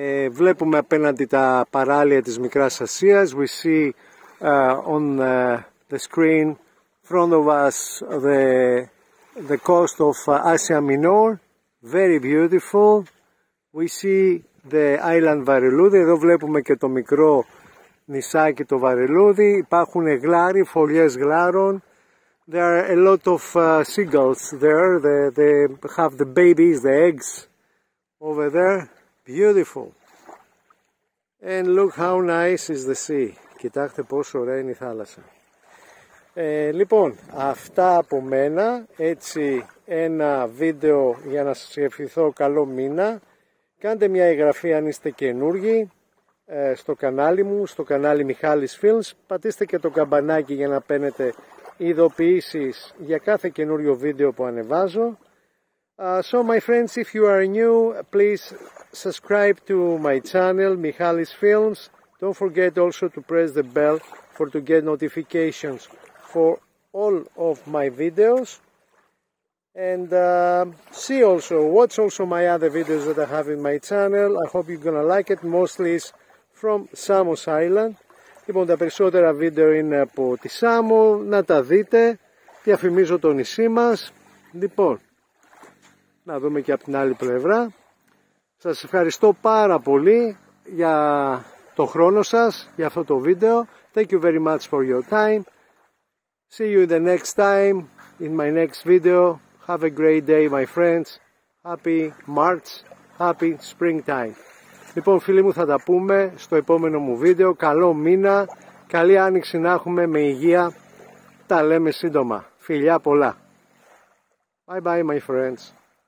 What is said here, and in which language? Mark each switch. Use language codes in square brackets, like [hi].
[el] Βλέπουμε απέναντι τα παράλια της Μικράς Ασίας. [en] We see on the screen front of us the coast of Asia Minor, very beautiful. We see the island [el] Βαρελούδι, εδώ βλέπουμε και το μικρό νησάκι το Βαρελούδι, υπάρχουν γλάροι, φωλιές γλάρων. [en] There are a lot of seagulls there, they have the babies, the eggs over there, beautiful. And look how nice is the sea. [el] Κοιτάξτε πόσο ωραία είναι η θάλασσα. Λοιπόν, αυτά από μένα. Έτσι ένα βίντεο για να σας ευχηθώ καλό μήνα. Κάντε μια εγγραφή αν είστε καινούργοι στο κανάλι μου, στο κανάλι Μιχάλης Films. Πατήστε και το καμπανάκι για να παίρνετε ειδοποιήσεις για κάθε καινούριο βίντεο που ανεβάζω. [en] So my friends, if you are new, please subscribe to my channel Μιχάλης Films. Don't forget also to press the bell for to get notifications for all of my videos. And see also, watch also my other videos that I have in my channel. I hope you're gonna like it. Mostly it's from Samos Island. [el] Λοιπόν, τα περισσότερα βίντεο είναι από τη Σάμο. Να τα δείτε. Διαφημίζω το νησί μας. Λοιπόν, να δούμε και από την άλλη πλευρά. Σας ευχαριστώ πάρα πολύ για το χρόνο σας για αυτό το βίντεο. [en] Thank you very much for your time. See you the next time in my next video. Have a great day, my friends. Happy March. Happy springtime. [el] Λοιπόν, φίλοι μου, θα τα πούμε στο επόμενο μου βίντεο. Καλό μήνα. Καλή άνοιξη να έχουμε με υγεία. Τα λέμε σύντομα. Φιλιά πολλά. [en] Bye bye, my friends.